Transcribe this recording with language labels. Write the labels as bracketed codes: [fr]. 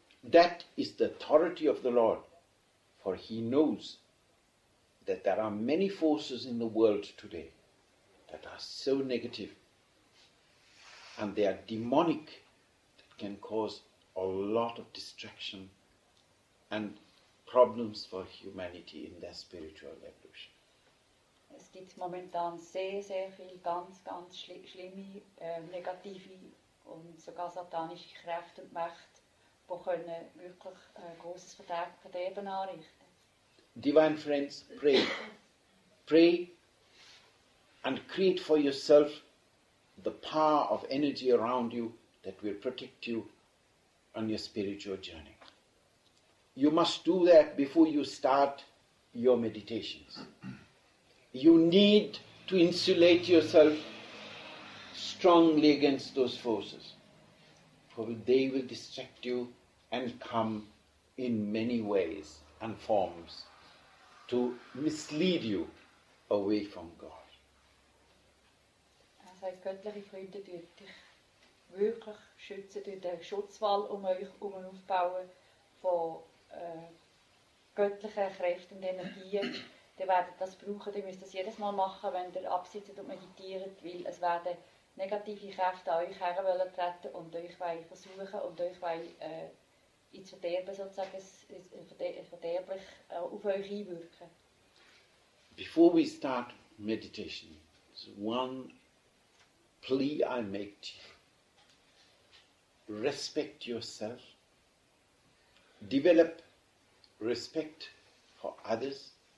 [en] That is the authority of the Lord, for he knows that there are many forces in the world today that are so negative and they are demonic, that can cause a lot of distraction and problems for humanity in their spiritual evolution. [de] Es gibt momentan sehr, sehr viele ganz, ganz schlimme, negative und sogar satanische Kräfte und Mächte, die wirklich ein grosses Verderben anrichten können. [en] Divine friends, pray. Pray and create for yourself the power of energy around you that will protect you on your spiritual journey. You must do that before you start your meditations. You need to insulate yourself strongly against those forces, for they will distract you and come in many ways and forms to mislead you away from God. [de] Er sagt, göttliche Freunde, die dich wirklich schützen, die den Schutzwall um euch herum aufbauen von göttlichen Kräften und Energien. Ihr werdet das brauchen, ihr müsst das jedes Mal machen, wenn ihr absitzt und meditiert, weil es werden negative Kräfte an euch herantreten und euch versuchen und euch ins Verderben sozusagen, verderblich auf euch einwirken. [en] Before we start meditation, one plea I make to you. Respect yourself. Develop respect for others.